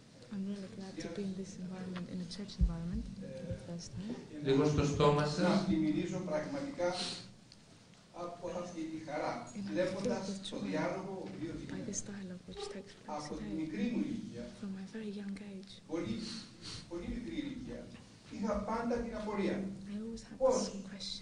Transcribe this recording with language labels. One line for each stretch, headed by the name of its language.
English: I'm really glad to be in this environment, in a church environment, for the first time.
Greek: Λίγο στο στόμα σας. Να πλημμυρίζω πραγματικά από αυτή τη χαρά, βλέποντας το διάλογο δύο γυναίκες.
English: By this dialogue which takes place
Greek: από τη μικρή μου ηλικία.
English: From my very young age.
Greek: Πολύ, πολύ μικρή ηλικία. Είχα πάντα την απορία.
English: I always had the same question.